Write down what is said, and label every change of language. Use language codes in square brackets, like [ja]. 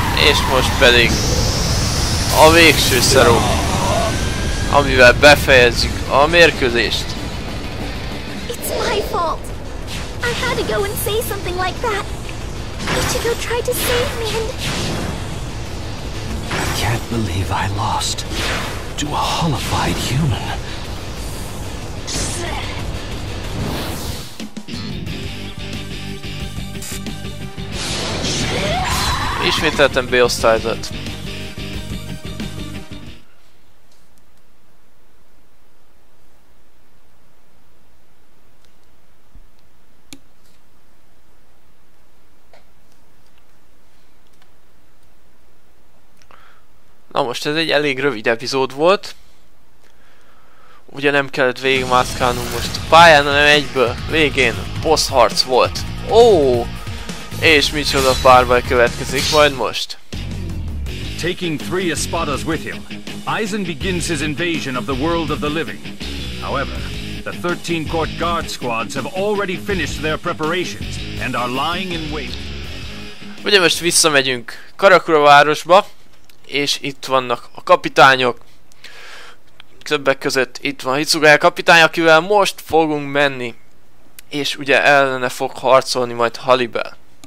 [hu] És most pedig a végső Zeró, amivel befejezzük a mérkőzést. [en] It's my fault. I had to go and say something like that. Ichigo tried to save me and... I can't believe I lost. To a hollified human. [hu] Ismételtem B-osztályzat. Na most ez egy elég rövid epizód volt. ugye nem kellett végigmászkálnunk most a pályán, hanem egyből végén boss harc volt. Ó! És micsoda párbaj következik majd most. [en] Taking three espadas with him, Aizen begins his invasion of the world of the living. However, the 13 court guard squads have already finished their preparations and are lying in wait. [hu] Ugye most visszamegyünk Karakura városba, és itt vannak a kapitányok. Többek között itt van Hitsugaya kapitány, akivel most fogunk menni, és ugye ellene fog harcolni majd Halibel.